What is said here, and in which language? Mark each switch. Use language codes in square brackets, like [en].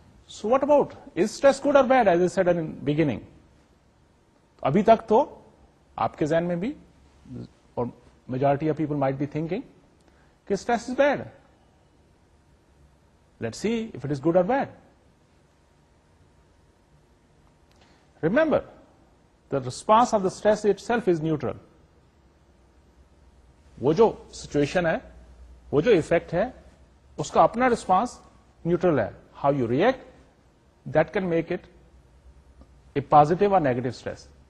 [en] So what about is stress good or bad as I said in beginning? [ur] ابھی تک تو آپ کے ذہن میں بھی اور [en] Majority of people might be thinking کہ stress is bad, let see if it is good or bad. Remember the response of the stress itself is neutral. [ur] وہ جو سچویشن ہے, وہ جو افیکٹ ہے, اس کا اپنا ریسپانس نیوٹرل ہے. [en] How you react that can make it a positive or negative stress.